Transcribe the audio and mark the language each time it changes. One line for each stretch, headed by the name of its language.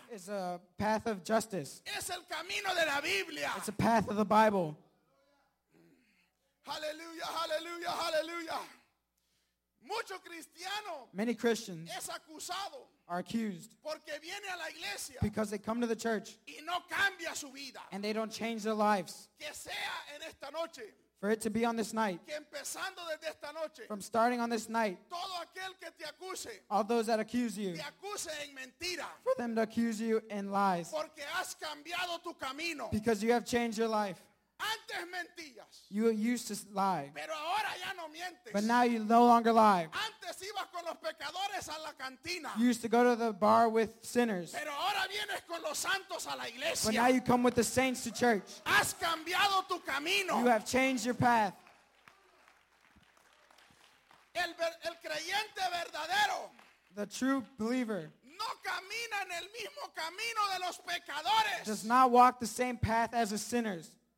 English: Is a path of justice.
Spanish: Es el camino de la Biblia.
English: It's a path of the Bible. Hallelujah, hallelujah, hallelujah.
Spanish: Muchos cristianos.
English: Many Christians.
Spanish: Es acusado.
English: Are accused
Spanish: porque viene a la iglesia
English: because they come to the church
Spanish: y no cambia su vida.
English: And they don't change their lives.
Spanish: Que sea en esta noche.
English: For it to be on this night,
Spanish: que empezando desde esta noche,
English: from starting on this night,
Spanish: todo aquel que te acuse,
English: all those that accuse you,
Spanish: te acuse en mentira,
English: for them to accuse you in lies,
Spanish: porque has cambiado tu camino,
English: because you have changed your life.
Spanish: Antes mentías,
English: you used to lie,
Spanish: pero ahora ya no mientes,
English: but now you no longer lie.
Spanish: Antes ibas con los pecadores a la cantina,
English: you used to go to the bar with sinners,
Spanish: pero ahora vienes con los santos a la iglesia,
English: but now you come with the saints to church.
Spanish: Has cambiado tu camino.
English: You have changed your path.
Spanish: El creyente verdadero,
English: the true believer,
Spanish: no camina en el mismo camino de los pecadores,
English: does not walk the same path as the sinners.